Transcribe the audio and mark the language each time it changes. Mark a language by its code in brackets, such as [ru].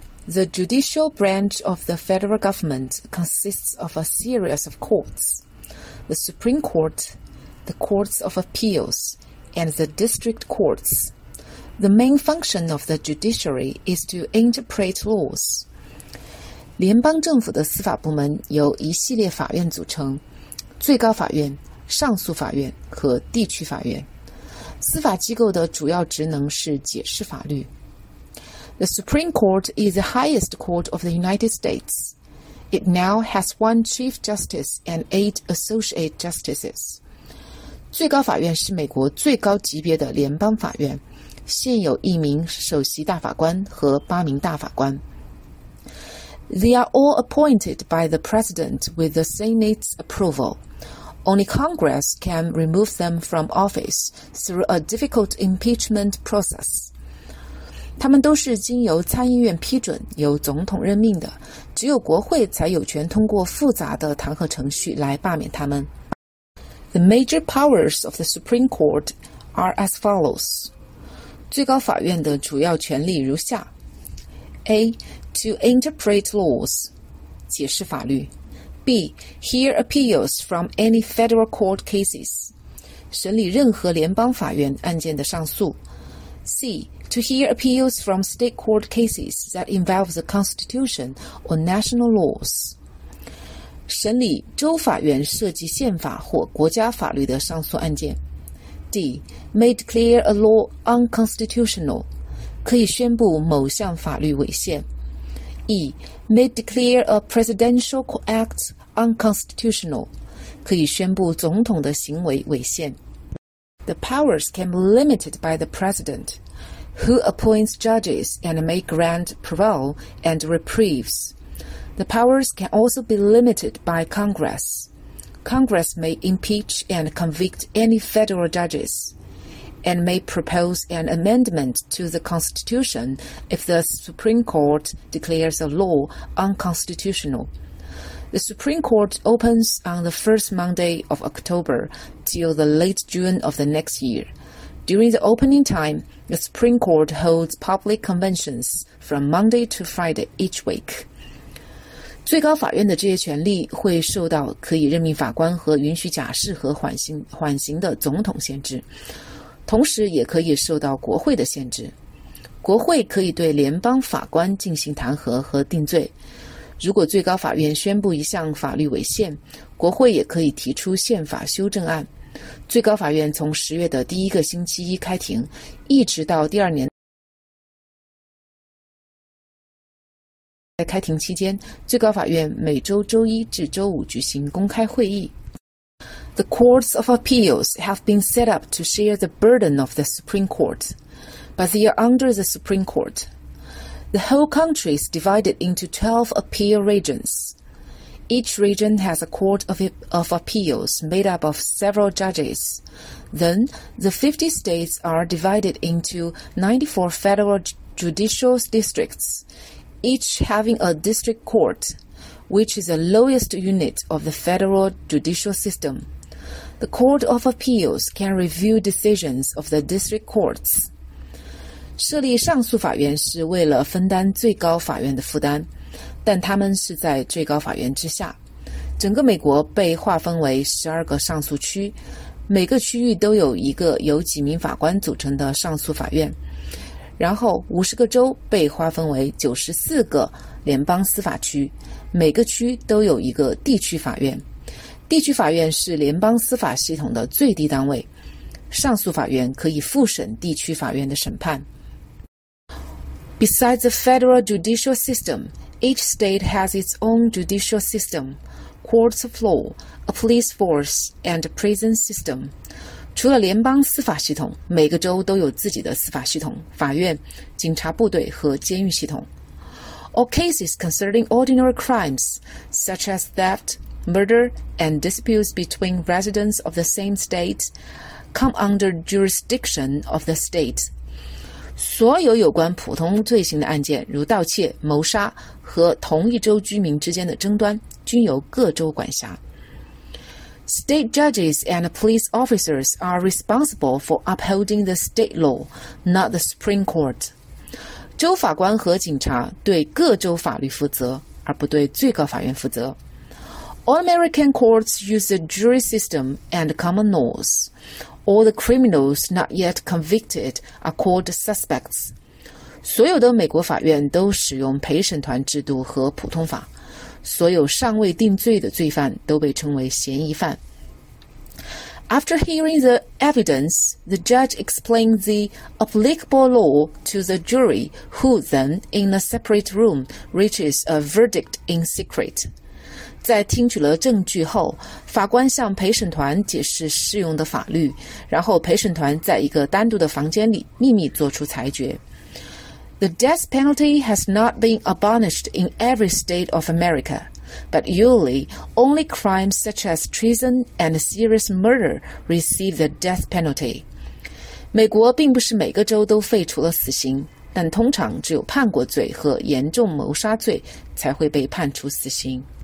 [en] The judicial branch of the federal government consists of a series of courts. The Supreme Court, the Courts of Appeals, and the District Courts. The main function of the judiciary is to interpret laws. [zh] 联邦政府的司法部门由一系列法院组成，最高法院、上诉法院和地区法院。司法机构的主要职能是解释法律。 [en] The Supreme Court is the highest court of the United States. It now has one Chief Justice and eight Associate Justices. [zh] 最高法院是美国最高级别的联邦法院，现有一名首席大法官和八名大法官。 [en] They are all appointed by the President with the Senate's approval. Only Congress can remove them from office through a difficult impeachment process. [zh] 他们都是经由参议院批准，由总统任命的，只有国会才有权通过复杂的弹劾程序来罢免他们。 [en] The major powers of the Supreme Court are as follows. [zh] 最高法院的主要权力如下。 [en] A. To interpret laws. [zh] 解释法律。 [en] B. Hear appeals from any federal court cases. [zh] 审理任何联邦法院案件的上诉。 [en] C. To hear appeals from state court cases that involve the Constitution or national laws. [zh] 审理州法院涉及宪法或国家法律的上诉案件。 [en] D. Made clear a law unconstitutional. [zh] 可以宣布某项法律违宪。 [en] E. Made clear a presidential act unconstitutional. [zh] 可以宣布总统的行为违宪。 [en] The powers can be limited by the president. Who appoints judges and may grant parole and reprieves. The powers can also be limited by Congress. Congress may impeach and convict any federal judges, and may propose an amendment to the Constitution if the Supreme Court declares a law unconstitutional. The Supreme Court opens on the first Monday of October till the late June of the next year. During the opening time, the Supreme Court holds public conventions from Monday to Friday each week. [zh] 最高法院的这些权力会受到可以任命法官和允许假释和缓刑的总统限制，同时也可以受到国会的限制。国会可以对联邦法官进行弹劾和定罪。如果最高法院宣布一项法律违宪，国会也可以提出宪法修正案。最高法院从十月的第一个星期一开庭，一直到第二年。在开庭期间，最高法院每周周一至周五举行公开会议。 [en] The courts of appeals have been set up to share the burden of the Supreme Court, but they are under the Supreme Court. The whole country is divided into 12 appeal regions. Each region has a court of appeals made up of several judges. Then, the 50 states are divided into 94 federal judicial districts, each having a district court, which is the lowest unit of the federal judicial system. The court of appeals can review decisions of the district courts. [zh] 设立上诉法院是为了分担最高法院的负担。但他们是在最高法院之下。整个美国被划分为12个上诉区，每个区域都有一个由几名法官组成的上诉法院。然后50个州被划分为94个联邦司法区，每个区都有一个地区法院。地区法院是联邦司法系统的最低单位，上诉法院可以复审地区法院的审判。 [en] Besides the federal judicial system,Each state has its own judicial system, courts of law, a police force, and a prison system. [zh] 除了联邦司法系统，每个州都有自己的司法系统、法院、警察部队和监狱系统。 [en] All cases concerning ordinary crimes, such as theft, murder, and disputes between residents of the same state, come under jurisdiction of the state. [zh] 所有有关普通罪行的案件，如盗窃、谋杀和同一州居民之间的争端，均由各州管辖。 [en] State judges and police officers are responsible for upholding the state law, not the Supreme Court. [zh] 州法官和警察对各州法律负责，而不对最高法院负责。 [en] All American courts use the jury system and common laws. All the criminals not yet convicted are called suspects. [zh] 所有的美国法院都使用陪审团制度和普通法。所有尚未定罪的罪犯都被称为嫌疑犯。 [en] After hearing the evidence, the judge explained the applicable law to the jury, who then, in a separate room, reaches a verdict in secret. [zh] 在听取了证据后，法官向陪审团解释适用的法律，然后陪审团在一个单独的房间里秘密做出裁决。 [en] The death penalty has not been abolished in every state of America, but usually only crimes such as treason and serious murder receive the death penalty. [zh] 美国并不是每个州都废除了死刑，但通常只有叛国罪和严重谋杀罪才会被判处死刑。